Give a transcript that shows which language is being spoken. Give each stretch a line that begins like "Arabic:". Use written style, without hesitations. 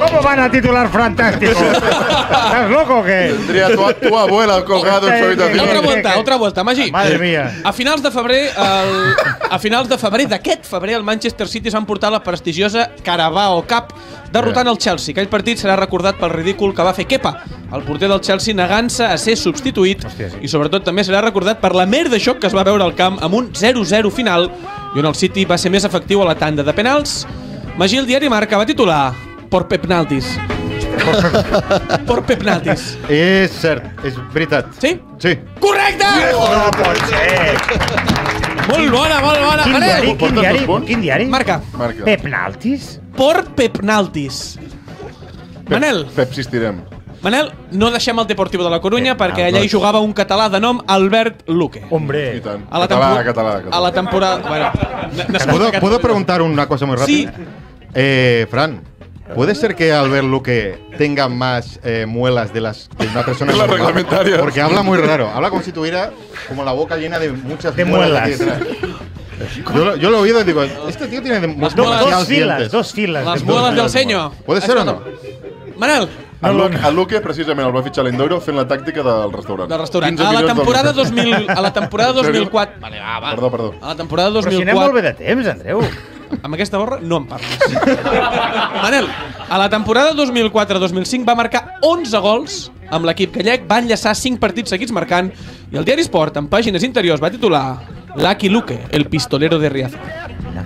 Spanish: ¿Cómo van a titular fantástico? ¿Estás loco o qué? Tendría tu abuela colgado en su habitación. Otra vuelta, Magí. Madre mía.
Catalan: A finals de febrer, d'aquest febrer, el Manchester City s'ha emportat la prestigiosa Carabao Cup, derrotant el Chelsea. Aquell partit serà recordat pel ridícul que va fer Kepa, el porter del Chelsea, negant-se a ser substituït. Hòstia, sí. I sobretot també serà recordat per la merda xoc que es va veure al camp amb un 0-0 final, i on el City va ser més efectiu a la tanda de penals. Magí, el diari Marca va titular Por Pepnaltis. Por Pepnaltis. És cert, és veritat. Sí? Sí. Correcte! Molt bona. Quin diari? Marca. Pepnaltis? Por Pepnaltis. Manel. Pep, existirem. Manel, no deixem el Deportivo de la Coruña, perquè allà hi jugava un català de nom Albert Luque.
Spanish: Hombre.
Catalan: I tant. Català. A la temporada... Bueno,
Spanish: ¿Puedo preguntar una cosa muy rápida? Sí. Fran, ¿puede ser que Albert Luque tenga más muelas de las de una persona la reglamentaria? Porque habla muy raro. Habla como si tuviera como la boca llena de muchas de muelas. Yo lo he oído y digo, este tío tiene dos filas. Las muelas del seño. ¿Puede ser o no? Manel.
Catalan: El Luque, precisament, el va fitxar l'Indoiro fent la tàctica del restaurant. A la temporada 2004... Vale, va. Perdó. A la temporada 2004... Però si anem molt bé de temps, Andreu. Amb aquesta borra no en parles. Manel, a la temporada 2004-2005 va marcar 11 gols amb l'equip gallec, va enllaçar 5 partits seguits marcant, i el diari Sport, en pàgines interiors, va titular Lucky Luque, el pistolero de Riazor.